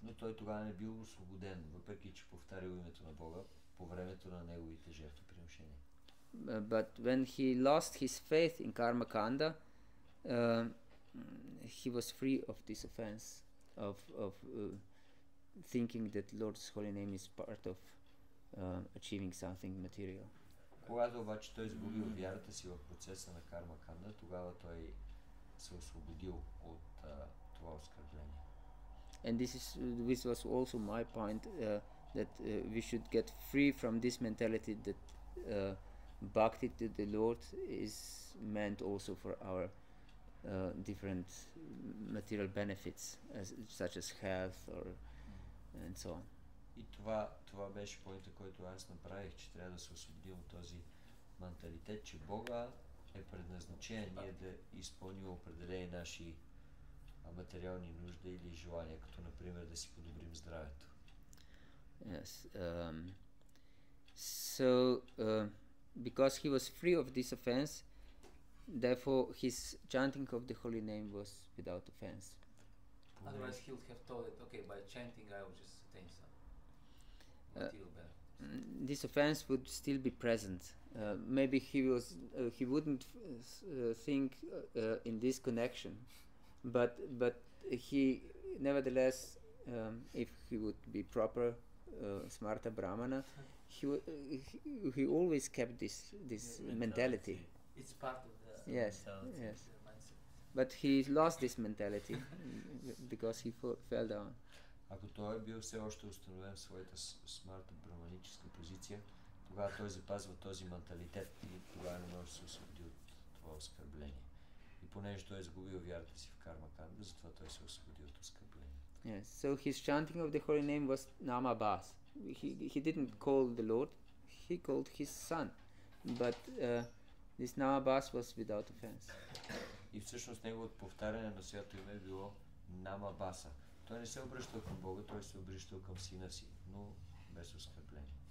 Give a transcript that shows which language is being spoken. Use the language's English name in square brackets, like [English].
[Bulgarian] Но той тогава не бил освободен, въпреки че повтарял името на Бога по времето на неговите жертвоприношения. [English] But when he lost his faith in karma kanda, he was free of this offense of thinking that Lord's holy name is part of achieving something material. [Bulgarian] Когато обаче той изгубил вярата си в процеса на карма канда, тогава той се освободил от това оскърбление. [English] And this was also my point that we should get free from this mentality that bhakti to the Lord is meant also for our different material benefits, such as health or and so on. [Bulgarian] И това беше поинта, който аз направих, че трябва да се освободим от този менталитет, че Бога е предназначен ние да изпълним определени наши материални нужди или желания, като например да си подобрим здравето. [English] Yes. So because he was free of this offense, therefore his chanting of the holy name was without offense. Otherwise he would have told it, okay, by chanting I will just attain some This offense would still be present. Maybe he wouldn't think in this connection, but he nevertheless, if he would be proper smarta brahmana, he always kept this mentality. It's part of the mentality. Yes. But he lost this mentality because he fell down. [Bulgarian] Ако той е бил все още установен в своята смарта браманическа позиция, тогава той запазва този менталитет и тогава не може да се освободи от това оскърбление. И понеже той е загубил вярата си в карма канда, затова той се освободи от оскърбление. [English] Yes, so his chanting of the holy name was Namabas. He didn't call the Lord, he called his son. But this Namabas was without offense. [Bulgarian] И всъщност неговото повтаряне на свято име било Namabasa. Той не се обръща към Бога, той се обръща към сина си, но без оскърбление.